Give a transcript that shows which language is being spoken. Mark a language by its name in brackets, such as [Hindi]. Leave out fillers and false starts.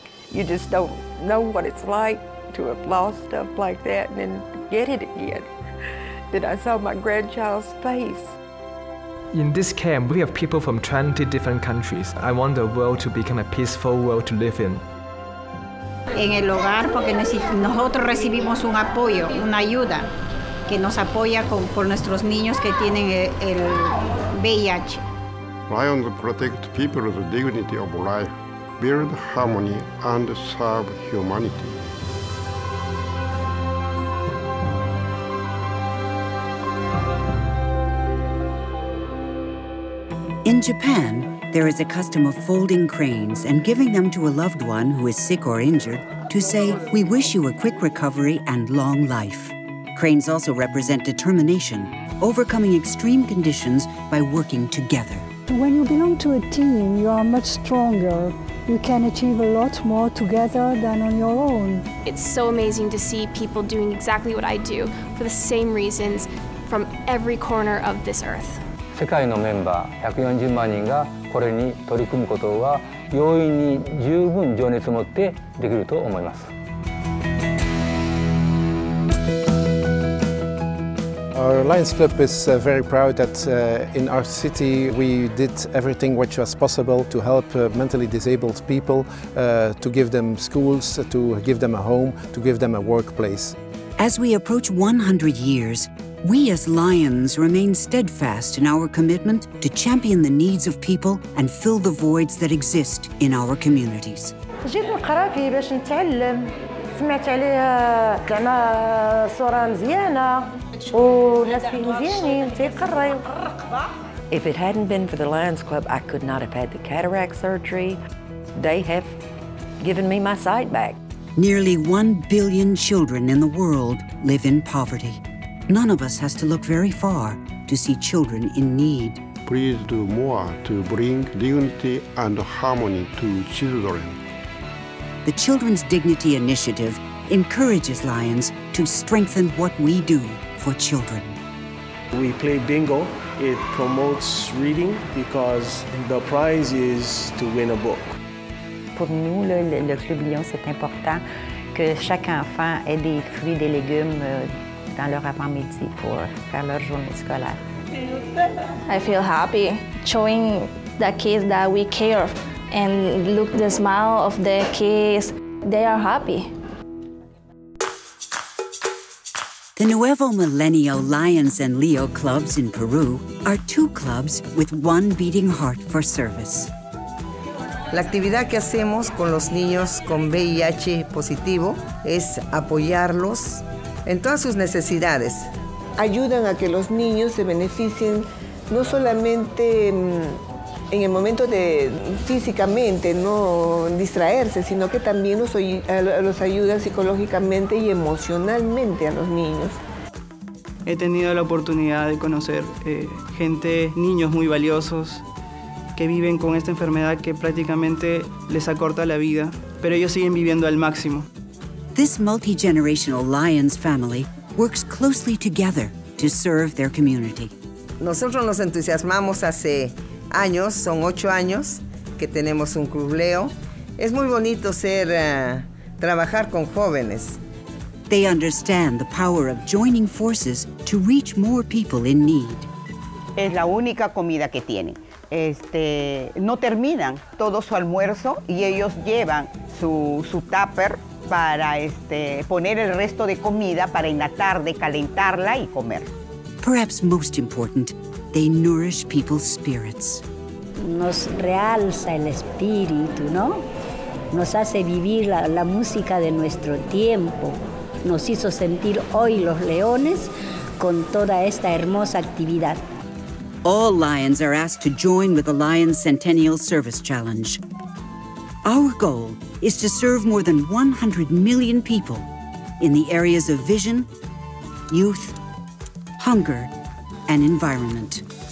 [English] You just don't know what it's like to have lost stuff like that and then get it again. Then I saw my grandchild's face. In this camp, we have people from 20 different countries. I want the world to become a peaceful world to live in. [Spanish] En el hogar, porque nosotros recibimos un apoyo, una ayuda, que nos apoya con, por nuestros niños que tienen el VIH. [English] Lions protect people's dignity of life, build harmony, and serve humanity. In Japan, there is a custom of folding cranes and giving them to a loved one who is sick or injured to say, "We wish you a quick recovery and long life." Cranes also represent determination, overcoming extreme conditions by working together. When you belong to a team, you are much stronger. You can achieve a lot more together than on your own. It's so amazing to see people doing exactly what I do for the same reasons from every corner of this earth. [Japanese] 世界のメンバー140万人がこれに取り組むことは容易に十分情熱を持ってできると思います。 [English] Our Lions Club is very proud that in our city we did everything which was possible to help mentally disabled people, to give them schools, to give them a home, to give them a workplace. As we approach 100 years, we as Lions remain steadfast in our commitment to champion the needs of people and fill the voids that exist in our communities. [Arabic] جيت القرافي باش نتعلم، سمعت عليها زعما صورة مزيانة وناس مزيانين تيقريو. [English] If it hadn't been for the Lions Club, I could not have had the cataract surgery. They have given me my sight back. Nearly 1 billion children in the world live in poverty. None of us has to look very far to see children in need. Please do more to bring dignity and harmony to children. The Children's Dignity Initiative encourages Lions to strengthen what we do for children. We play bingo. It promotes reading because the prize is to win a book. [French] Pour nous, le Club Lion, c'est important que chaque enfant ait des fruits, des légumes dans leur avant-midi pour faire leur journée scolaire. [English] I feel happy showing the kids that we care and look the smile of the kids. They are happy. The Nuevo Millennio Lions and Leo Clubs in Peru are two clubs with one beating heart for service. [Spanish] La actividad que hacemos con los niños con VIH positivo es apoyarlos en todas sus necesidades. Ayudan a que los niños se beneficien no solamente en el momento de físicamente no distraerse, sino que también los ayudan psicológicamente y emocionalmente a los niños. He tenido la oportunidad de conocer gente, niños muy valiosos, que viven con esta enfermedad que prácticamente les acorta la vida, pero ellos siguen viviendo al máximo. [English] This multi-generational Lions family works closely together to serve their community. [Spanish] Nosotros nos entusiasmamos hace años, son 8 años que tenemos un Club Leo. Es muy bonito ser trabajar con jóvenes. [English] They understand the power of joining forces to reach more people in need. [Spanish] Es la única comida que tienen. No terminan todo su almuerzo y ellos llevan su tupper para poner el resto de comida para en la tarde calentarla y comer. [English] Perhaps most important, they nourish people's spirits. [Spanish] Nos realza el espíritu, ¿no? Nos hace vivir la música de nuestro tiempo. Nos hizo sentir hoy los leones con toda esta hermosa actividad. [English] All Lions are asked to join with the Lions Centennial Service Challenge. Our goal is to serve more than 100 million people in the areas of vision, youth, hunger, and environment.